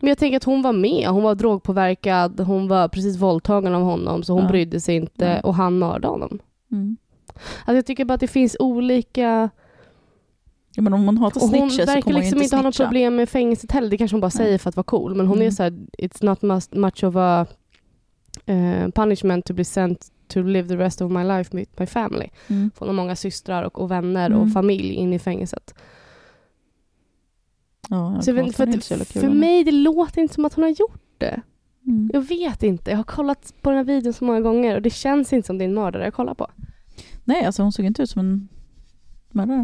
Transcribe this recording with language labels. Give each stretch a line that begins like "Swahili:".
Swedish: Men jag tänker att hon var med. Hon var drogpåverkad. Hon var precis våldtagen av honom. Så hon brydde sig inte. Nej. Och han mördade honom. Mm. Alltså jag tycker bara att det finns olika... Ja, men om man hatar snitcher, hon verkar hon liksom inte ha något problem med fängelset heller. Det kanske hon bara säger för att vara cool. Men hon är så här,
English: it's not much of a punishment to be sent to live the rest of my life with my family.
Swedish: Mm. Hon har många systrar och vänner och familj in i fängelset. Ja, så för mig det låter inte som att hon har gjort det. Mm. Jag vet inte. Jag har kollat på den här videon så många gånger och det känns inte som din mördare jag kollar på. Nej, alltså hon såg inte ut som en mördare.